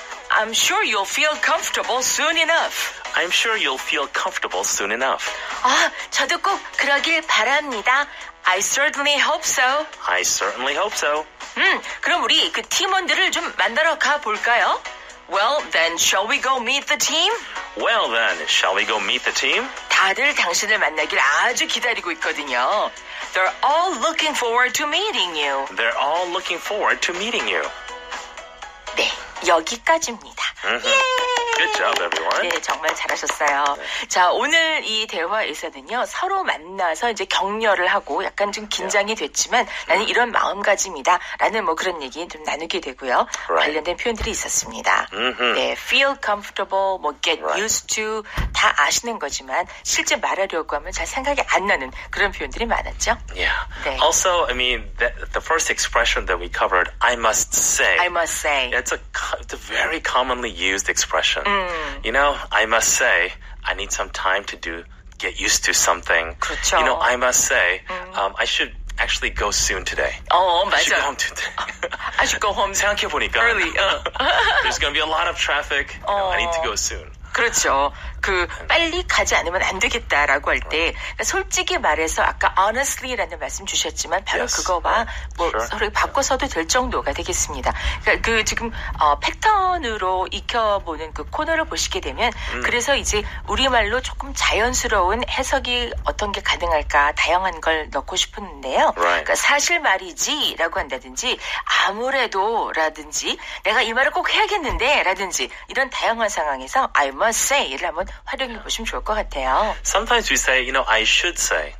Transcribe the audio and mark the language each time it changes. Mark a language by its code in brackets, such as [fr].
[en] I'm sure you'll feel comfortable soon enough. I'm sure you'll feel comfortable soon enough. [ko] 아, 저도 꼭 그러길 바랍니다. [en] I certainly hope so. I certainly hope so. [ko] 그럼 우리 그 팀원들을 좀 만나러 가 볼까요? [en] Well, then, shall we go meet the team? Well, then, shall we go meet the team? [ko] 다들 당신을 만나길 아주 기다리고 있거든요. [en] They're all looking forward to meeting you. They're all looking forward to meeting you. [ko] 네. 여기까지입니다. Mm-hmm. [en] Yay! Good job, everyone. [ko] 네, 정말 잘하셨어요. 네. 자, 오늘 이 대화에서는요, 서로 만나서 이제 격려를 하고 약간 좀 긴장이 [en] yeah. [ko] 됐지만 나는 이런 마음가짐이다 라는 뭐 그런 얘기 좀 나누게 되고요. [en] Right. 관련된 표현들이 있었습니다. Mm-hmm. [ko] 네, [en] feel comfortable, 뭐 get right. used to [ko] 다 아시는 거지만 실제 말하려고 하면 잘 생각이 안 나는 그런 표현들이 많았죠. [en] Yeah. [ko] 네. [en] Also, I mean, the first expression that we covered, I must say. It's a very commonly used expression. You know, I must say, I need some time to get used to something. [ko] 그렇죠. [en] You know, I must say, I should actually go soon today. Oh, [ko] 맞아. [en] I should go home today. I should go home [ko] 생각해보니까. [en] Early. There's going to be a lot of traffic. You know, I need to go soon. [ko] 그렇죠. 그 빨리 가지 않으면 안 되겠다라고 할 때 그러니까 솔직히 말해서 아까 honestly라는 말씀 주셨지만 바로 [en] yes. [ko] 그거와 뭐 [en] sure. [ko] 서로 바꿔서도 될 정도가 되겠습니다. 그러니까 그 지금 패턴으로 익혀보는 그 코너를 보시게 되면 그래서 이제 우리말로 조금 자연스러운 해석이 어떤 게 가능할까 다양한 걸 넣고 싶었는데요. [en] Right. [ko] 그러니까 사실 말이지 라고 한다든지 아무래도 라든지 내가 이 말을 꼭 해야겠는데 라든지 이런 다양한 상황에서 [en] I must say [ko] 를 한번 활용해 보시면 좋을 것 같아요. [en] Sometimes we say, you know, I should say.